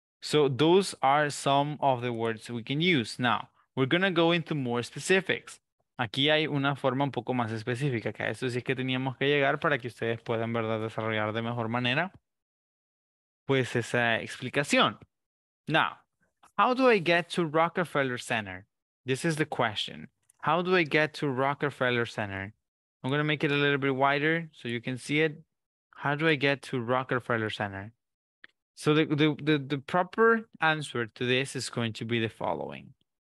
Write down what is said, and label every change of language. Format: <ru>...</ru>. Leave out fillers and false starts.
<en>So those are some of the words we can use. Now, we're going to go into more specifics.</en> <es>Aquí hay una forma un poco más específica, que a eso sí es que teníamos que llegar para que ustedes puedan, ¿verdad?, desarrollar de mejor manera, pues, esa explicación.</es> <en>Now, how do I get to Rockefeller Center? This is the question. How do I get to Rockefeller Center? I'm going to make it a little bit wider so you can see it. How do I get to Rockefeller Center? So the proper answer to this is going to be the following.</en>